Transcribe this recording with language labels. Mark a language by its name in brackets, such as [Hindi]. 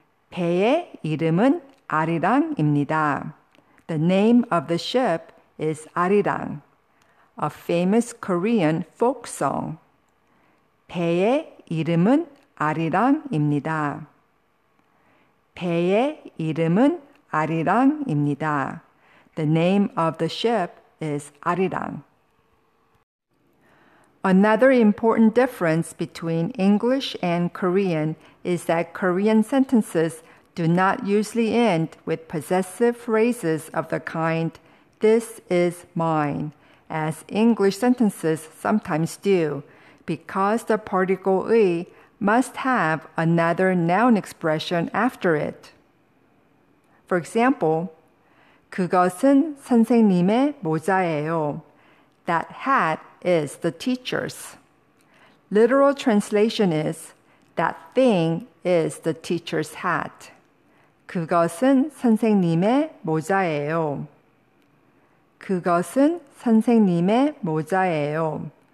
[Korean] 배의 이름은 아리랑입니다. [English] The name of the ship is 아리랑, a famous Korean folk song. [Korean] 배의 이름은 아리랑입니다. 배의 이름은 아리랑입니다. [English] The name of the ship is 아리랑. Another important difference between English and Korean is that Korean sentences do not usually end with possessive phrases of the kind, "This is mine," as English sentences sometimes do, because the particle 의 must have another noun expression after it. For example, [Korean] 그것은 선생님의 모자예요. [English] That hat is the teacher's. Literal translation is, that thing is the teacher's hat. [Korean] 그것은 선생님의 모자예요. 그것은 선생님의 모자예요.